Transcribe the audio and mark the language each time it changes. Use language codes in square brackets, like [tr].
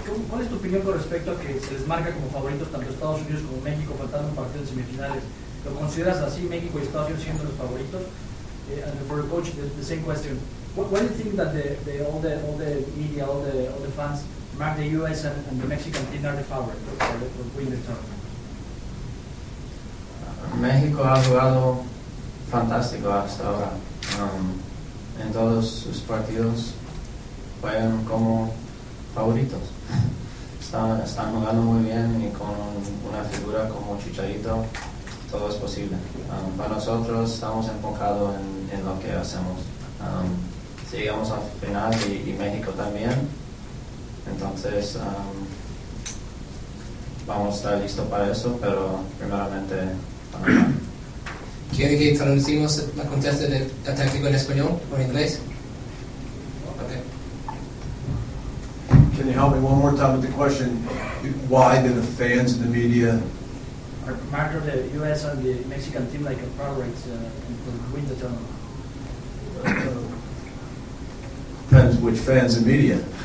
[es] ¿Cuál es tu opinión con respecto a que se les marca como favoritos tanto Estados Unidos como México, faltando un partido de semifinales? ¿Lo consideras así, México y Estados Unidos siendo los favoritos? [en] And for the coach, the same question. What do you think that all the media, all the fans mark the U.S. and the Mexican team are the favorite for winning the tournament? [es] México ha jugado fantástico hasta ahora. En todos sus partidos juegan como favoritos. Están jugando muy bien y con una figura como Chicharito todo es posible. Para nosotros estamos enfocados en lo que hacemos. Si llegamos al final y México también, entonces vamos a estar listos para eso, pero primeramente para nada. ¿Quiere que traducimos la contesta del táctico en español o en inglés? [en] Okay. Can you help me one more time with the question? Why do the fans and the media mark the U.S. and the Mexican team like a favorite to win the tournament? Depends which fans and media.